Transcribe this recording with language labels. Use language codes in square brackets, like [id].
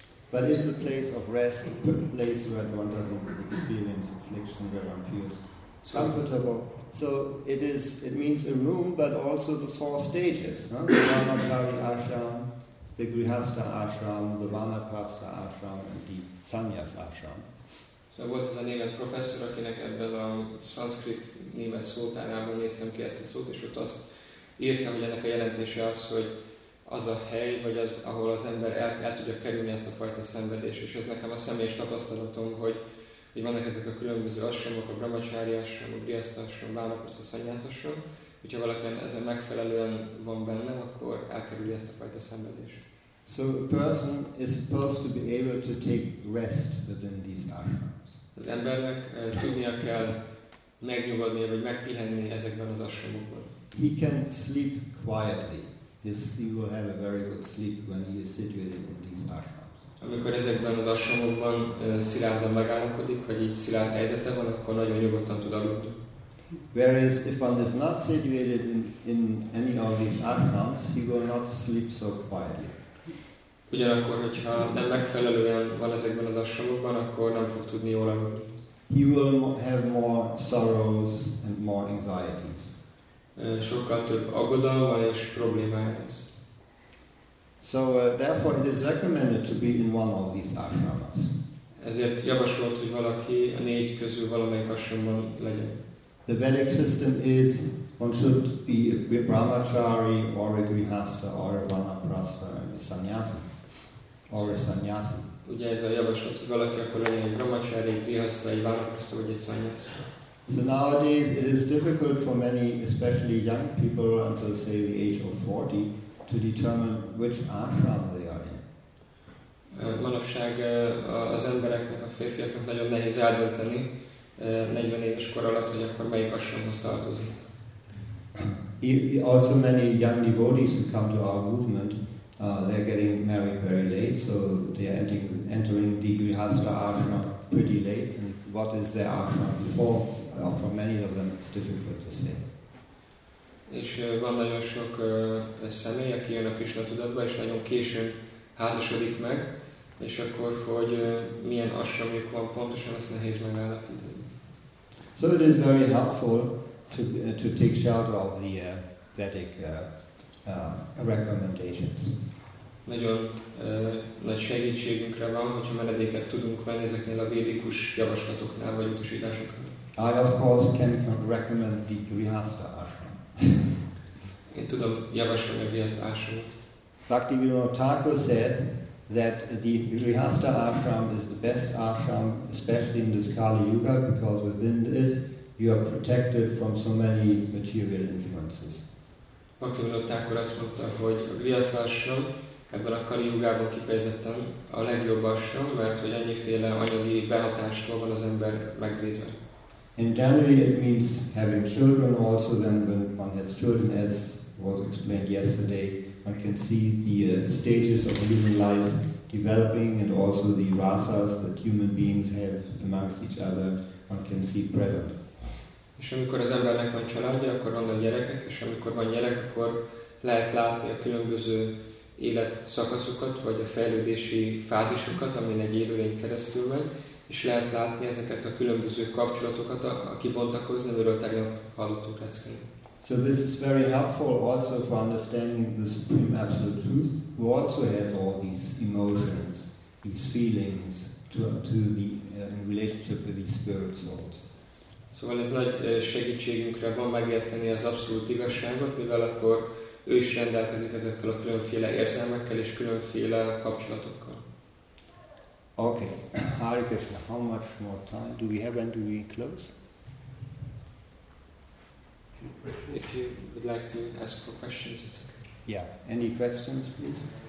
[en] But it's a place of rest, a place where one doesn't experience affliction, where one feels comfortable. So it means a room, but also the four stages. Vanachari ashram. The Grihastha ashram, the Vanaprastha ashram, and the Sanyas ashram. So what is a [hu] német professzor, akinek ebben a szanszkrit német szótárában néztem ki ezt a szót, és ott azt írtam, hogy ennek a jelentése az, hogy az a hely, vagy az, ahol az ember el tudja kerülni ezt a fajta szenvedést, és ez nekem a személyes tapasztalatom, hogy vannak ezek a különböző ashramok, a Brahmacsári ashram, a Grihastha ashram, Vanaprastha, Sanyas ashram. Hogyha valaki ezen megfelelően van benne, akkor elkerüli ezt a fajta szenvedést. [en] So a person is supposed to be able to take rest within these ashrams. [hu] Az embernek tudnia kell megnyugodni, vagy megpihenni ezekben az ashramokban. [en] He can sleep quietly. He will have a very good sleep when he is situated in these ashrams. [hu] Amikor ezekben az ashramokban szilárdan megállapodik, vagy így szilárd helyzete van, akkor nagyon nyugodtan tud aludni. [en] Whereas if one is not situated in any of these ashrams, he will not sleep so quietly. [hu] Ugyanakkor, hogyha nem megfelelően van ezekben az ashramokban, akkor nem fog tudni jól aludni. [en] He will have more sorrows and more anxieties. [hu] Sokkal több aggodalma és problémája lesz. [en] So therefore it is recommended to be in one of these ashramas. [hu] Ezért javasolt, hogy valaki a négy közül valamelyik ashramban legyen. [en] The Vedic system is one should be a brahmachari or a grihastha or a vanaprastha or a sannyasi. Or a sannyasi. [hu] Ugye ez a javaslat, hogy valaki akkor legyen egy brahmachari, grihastha, egy vanaprastha vagy egy sannyasi. [en] So nowadays it is difficult for many, especially young people until say the age of 40, to determine which ashram they are in. [hu] Manapság az embereknek, a férfiaknak nagyon nehéz eldönteni, 40 éves kor alatt, hogy akkor melyik ashramhoz tartozik. [en] Also many young devotees who come to our movement, they're getting married very late, so they're entering the Grihastha ashram pretty late. And what is their ashram before? For many of them, it's difficult to say. [hu] És van nagyon sok személy, aki jön a Krisna tudatba, és nagyon későn házasodik meg, és akkor, hogy milyen ashramjuk van pontosan, ezt nehéz megállapítani. [en] So it is very helpful to take shelter of the Vedic recommendations. [hu] Nagyon nagy segítségünkre van, hogyha menedéket tudunk venni ezeknél a védikus javaslatoknál vagy utasításoknál. [en] I of course can recommend the Grihastha ashram. [hu] Én tudom javasolni a Grihastha ashramot. [en] Bhaktivinoda Thakur said that the Grihastha ashram is the best ashram, especially in this Kali Yuga, because within it you are protected from so many material influences. [hu] Bhaktivinoda Thakur azt mondta, hogy a Grihastha ashram ebben a Kali Yugában kifejezetten a legjobb ashram, mert hogy annyiféle anyagi behatástól van az ember megvédve. [en] In Dhanuri it means having children also, then when one has children, as was explained yesterday, one can see the stages of human life developing and also the rasas that human beings have amongst each other, one can see present. [hu] És amikor az embernek van családja, akkor vannak gyerekek, és amikor van gyerek, akkor lehet látni a különböző életszakaszokat, vagy a fejlődési fázisokat, amin egy élőlény keresztül megy. És lehet látni ezeket a különböző kapcsolatokat, a kibontakozni, amiről tegnap hallottunk leckéni. [en] So this is very helpful also for understanding the Supreme Absolute Truth, who also has all these emotions, these feelings in relationship with the spirit souls. [hu] Szóval ez nagy segítségünkre van megérteni az abszolút igazságot, mivel akkor ő is rendelkezik ezekkel a különféle érzelmekkel és különféle kapcsolatokkal. [en] Okay, Hare Krishna, how much more time do we have and do we close? If you would like to ask for questions, it's okay. Yeah, any questions, please?